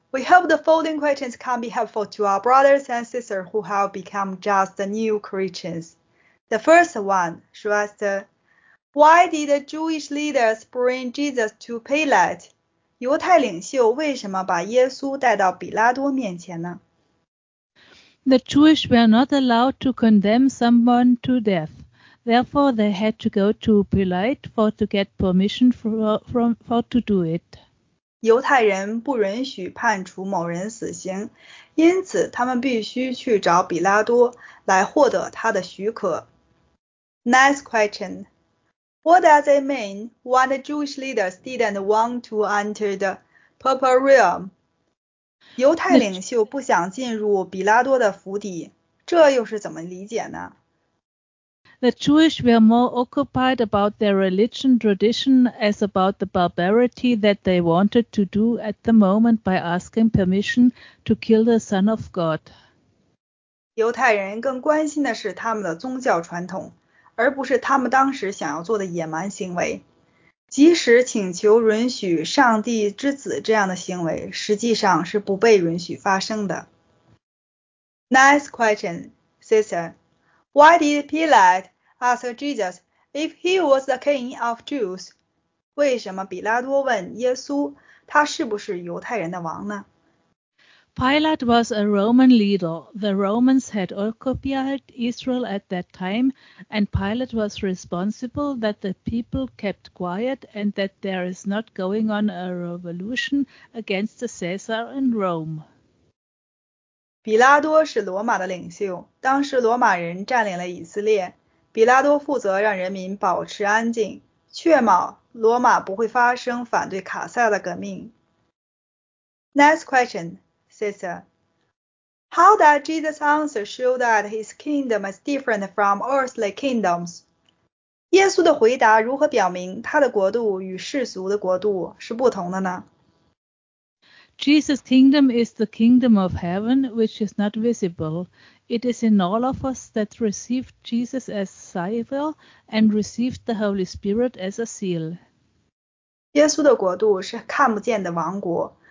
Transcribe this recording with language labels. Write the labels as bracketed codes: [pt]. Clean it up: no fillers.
[en] We hope the following questions can be helpful to our brothers and sisters who have become just new Christians. The first one, Shwester, why did the Jewish leaders bring Jesus to Pilate? [zh] 犹太领袖为什么把耶稣带到比拉多面前呢？ [en] The Jewish were not allowed to condemn someone to death. Therefore, they had to go to Pilate to get permission to do it. [zh] 犹太人不允许判处某人死刑，因此他们必须去找比拉多来获得他的许可。 [en] Next question. What does it mean when the Jewish leaders didn't want to enter the Papal Realm? [zh] 犹太领袖不想进入比拉多的府邸，这又是怎么理解呢？ [en] The Jewish were more occupied about their religion tradition as about the barbarity that they wanted to do at the moment by asking permission to kill the Son of God. [zh] 犹太人更关心的是他们的宗教传统，而不是他们当时想要做的野蛮行为。即使请求允许上帝之子这样的行为，实际上是不被允许发生的。 [en] Next question, sister. Why did Pilate ask Jesus if he was the king of Jews? [zh] 为什么比拉多问耶稣他是不是犹太人的王呢？ [en] Pilate was a Roman leader. The Romans had occupied Israel at that time, and Pilate was responsible that the people kept quiet and that there is not going on a revolution against the Caesar in Rome. [zh] 比拉多是罗马的领袖，当时罗马人占领了以色列，比拉多负责让人民保持安静，确保罗马不会发生反对卡萨的革命。 [en] Next question. Sister, how does Jesus' answer show that his kingdom is different from earthly kingdoms? [zh] 耶稣的回答如何表明他的国度与世俗的国度是不同的呢？ [en] Jesus' kingdom is the kingdom of heaven, which is not visible. It is in all of us that received Jesus as Savior and received the Holy Spirit as a seal. [zh] 耶稣的国度是看不见的王国。